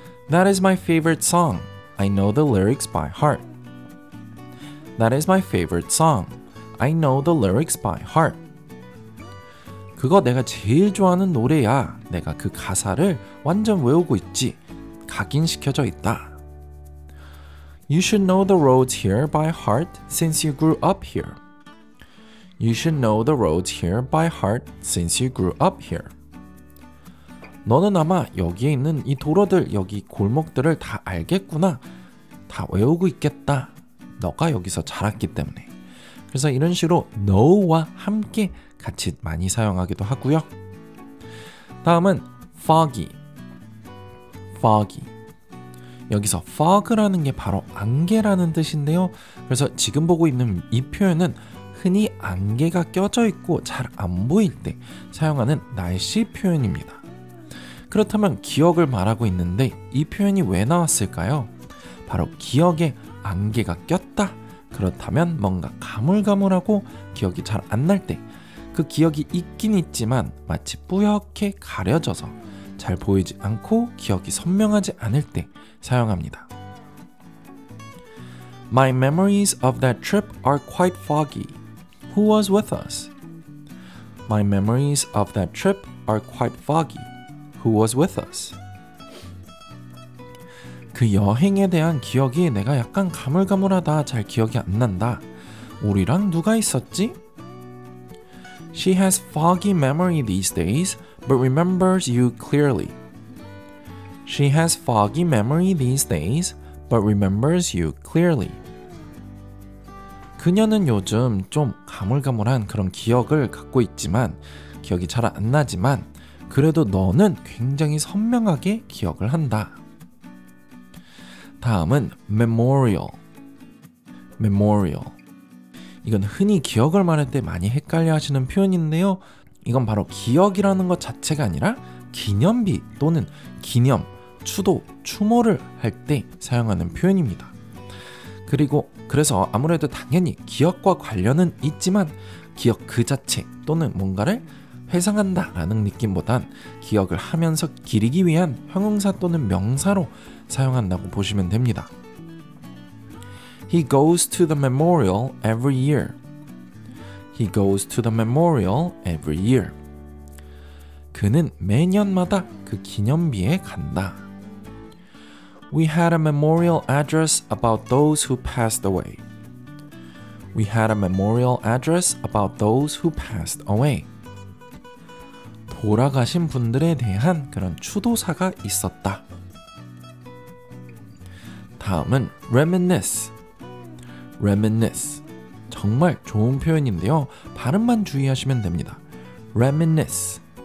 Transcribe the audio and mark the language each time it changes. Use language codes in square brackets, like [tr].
[en] That is my favorite song. I know the lyrics by heart. That is my favorite song. I know the lyrics by heart. [ko] 그거 내가 제일 좋아하는 노래야. 내가 그 가사를 완전 외우고 있지. 각인시켜져 있다. [en] You should know the roads here by heart since you grew up here. You should know the roads here by heart since you grew up here. [ko] 너는 아마 여기에 있는 이 도로들, 여기 골목들을 다 알겠구나. 다 외우고 있겠다. 너가 여기서 자랐기 때문에. 그래서 이런 식으로 know와 함께 같이 많이 사용하기도 하고요. 다음은 foggy. foggy. 여기서 fog라는 게 바로 안개라는 뜻인데요. 그래서 지금 보고 있는 이 표현은 흔히 안개가 껴져 있고 잘 안 보일 때 사용하는 날씨 표현입니다. 그렇다면 기억을 말하고 있는데 이 표현이 왜 나왔을까요? 바로 기억에 안개가 꼈다. 그렇다면 뭔가 가물가물하고 기억이 잘 안 날 때 그 기억이 있긴 있지만 마치 뿌옇게 가려져서 잘 보이지 않고 기억이 선명하지 않을 때 사용합니다. [en] My memories of that trip are quite foggy. Who was with us? My memories of that trip are quite foggy. Who was with us? [ko] 그 여행에 대한 기억이 내가 약간 가물가물하다. 잘 기억이 안 난다. 우리랑 누가 있었지? [en] She has foggy memory these days, but remembers you clearly. She has foggy memory these days, but remembers you clearly. [ko] 그녀는 요즘 좀 가물가물한 그런 기억을 갖고 있지만, 기억이 잘 안 나지만, 그래도 너는 굉장히 선명하게 기억을 한다. 다음은 memorial. memorial. 이건 흔히 기억을 말할 때 많이 헷갈려 하시는 표현인데요. 이건 바로 기억이라는 것 자체가 아니라 기념비 또는 기념, 추도, 추모를 할 때 사용하는 표현입니다. 그리고 그래서 아무래도 당연히 기억과 관련은 있지만 기억 그 자체 또는 뭔가를 회상한다 라는 느낌보단 기억을 하면서 기리기 위한 형용사 또는 명사로 사용한다고 보시면 됩니다. [en] He goes to the memorial every year. He goes to the memorial every year. [ko] 그는 매년마다 그 기념비에 간다. [en] We had a memorial address about those who passed away. We had a memorial address about those who passed away. [ko] 돌아가신 분들에 대한 그런 추도사가 있었다. 다음은 reminisce. reminisce. 정말 좋은 표현인데요. 발음만 주의하시면 됩니다. [en] reminisce.